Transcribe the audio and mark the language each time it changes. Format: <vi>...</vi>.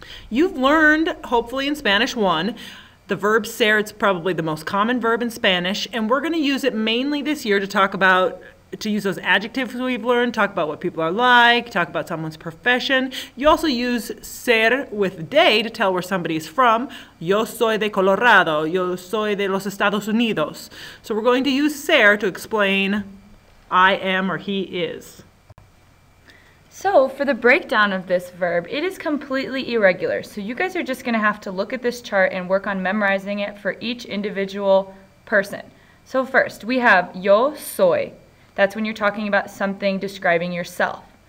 <en>You've learned, hopefully in Spanish 1, the verb ser. It's probably the most common verb in Spanish, and we're going to use it mainly this year to talk about, to use those adjectives we've learned, talk about what people are like, talk about someone's profession. You also use ser with day to tell where somebody's from.</en> <es>Yo soy de Colorado. Yo soy de los Estados Unidos.</es> <en>So we're going to use ser to explain I am or he is. So for the breakdown of this verb, it is completely irregular. So you guys are just going to have to look at this chart and work on memorizing it for each individual person. So first, we have yo soy. That's when you're talking about something describing yourself.</en>